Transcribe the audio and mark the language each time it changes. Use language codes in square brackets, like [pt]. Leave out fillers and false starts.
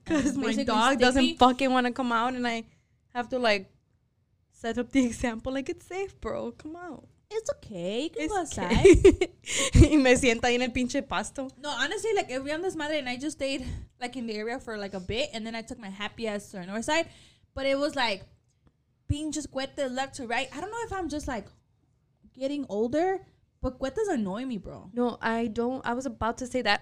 [en] Because my dog doesn't fucking want to come out, and I have to, like, set up the example. Like, it's safe, bro. Come out. It's okay. It's okay. [es] Y me sienta ahí en el pinche pasto. [en] No, honestly, like, if we on this madre, and I just stayed, like, in the area for, like, a bit, and then I took my happy ass to the north side, but it was, like, being just cuete left to right. I don't know if I'm just like getting older, but cuetes annoy me, bro. No, I don't. I was about to say that.